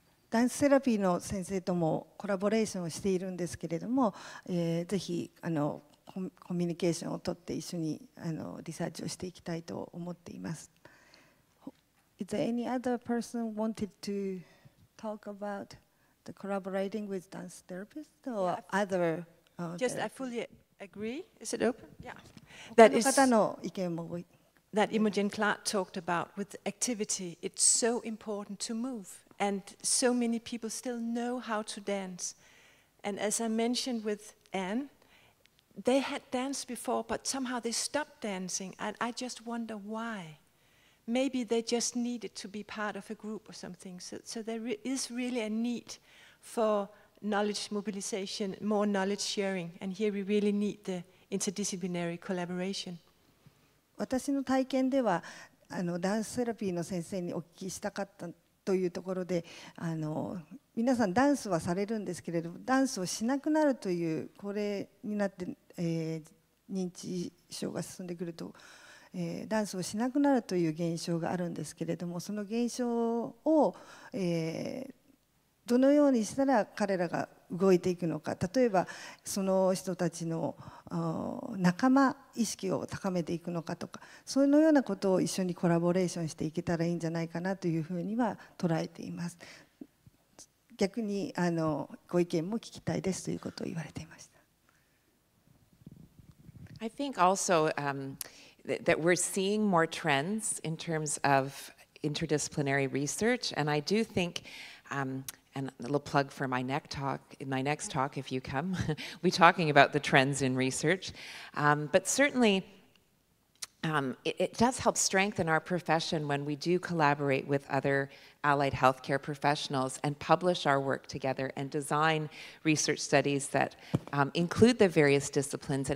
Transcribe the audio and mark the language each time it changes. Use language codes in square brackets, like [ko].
[ja] ダンスセラピーの先生ともコラボレーションをしているんですけれども、ぜひコミュニケーションを取って一緒にリサーチをしていきたいと思っています。 [en] Is there any other person wanted to talk about the collaborating with dance therapist or other? Just I fully agree. Is it open? Yeah. That is. [ja] 他の方の意見も。 [en] That Imogen Clark talked about with activity, it's so important to move. And so many people still know how to dance. And as I mentioned with Anne, they had danced before, but somehow they stopped dancing. And I just wonder why. Maybe they just needed to be part of a group or something. So there is really a need for knowledge mobilization, more knowledge sharing. And here we really need the interdisciplinary collaboration. [ja] 私の体験ではダンスセラピーの先生にお聞きしたかったというところで皆さんダンスはされるんですけれどもダンスをしなくなるという高齢になって、認知症が進んでくると、ダンスをしなくなるという現象があるんですけれどもその現象を、どのようにしたら彼らが動いていくのか例えばその人たちの仲間意識を高めていくのかとかそのようなことを一緒にコラボレーションしていけたらいいんじゃないかなというふうには捉えています逆にご意見も聞きたいですということを言われていました [en] I think also that we're seeing more trends in terms of interdisciplinary research and I do think And a little plug for my next talk, if you come. We'll be talking about the trends in research. But certainly, it does help strengthen our profession when we do collaborate with other allied healthcare professionals and publish our work together and design research studies that include the various disciplines.